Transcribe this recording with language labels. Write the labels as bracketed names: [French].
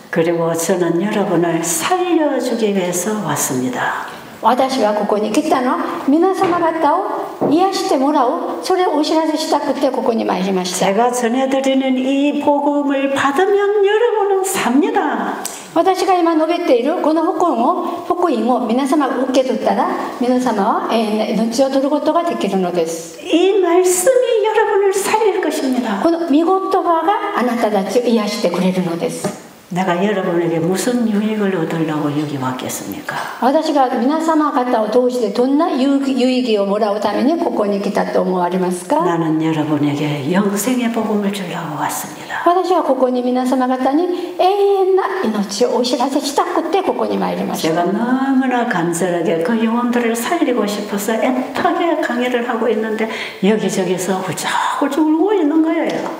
[Korean] 그리고 저는 여러분을 살려주기 위해서 왔습니다. [Japanese] 私はここに来たのは皆様方を癒してもらうそれをお知らせしたくてここに参りました。 [Korean] 제가 전해드리는 이 복음을 받으면 여러분은 삽니다. 제가 지금 [Japanese] 述べているこの福音を受け取ったら皆様は永遠の命を取ることができるのです。이 [Korean] 말씀이 여러분을 살릴 것입니다. [Japanese] この御言葉があなたたちを癒してくれるのです。 [Korean] 내가 여러분에게 무슨 유익을 얻으려고 여기 왔겠습니까? [Japanese] 제가 皆様方を通してどんな有益をもらうためにここに来たと思われますか? [Korean] 나는 여러분에게 영생의 복음을 주려고 왔습니다. [Japanese] 제가 ここに皆様方に永遠な命をお知らせしたくてここに参りました。 [Korean] 제가 너무나 간절하게 그 영혼들을 살리고 싶어서 애타게 강의를 하고 있는데 여기저기서 훌쩍훌쩍 울고 있는 거예요.